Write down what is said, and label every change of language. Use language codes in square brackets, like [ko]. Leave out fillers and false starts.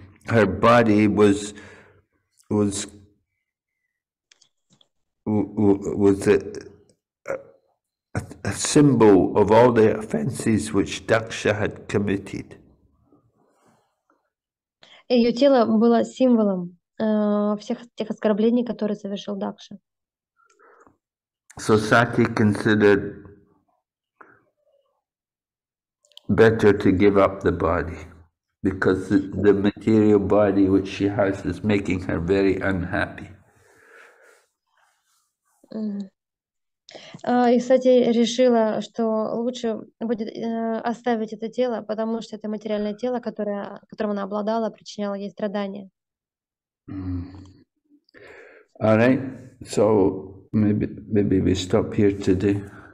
[en] Her body was a symbol of all the offenses which Daksha had committed. [ru] Ее тело было символом всех тех оскорблений, которые совершил Дакша. [en] So Sati considered better to give up the body, because the material body which she has is making her very unhappy. [ru] И, кстати, решила, что лучше будет оставить это тело, потому что это материальное тело, которым она обладала, причиняло ей страдания. [en] All right, so maybe we stop here today.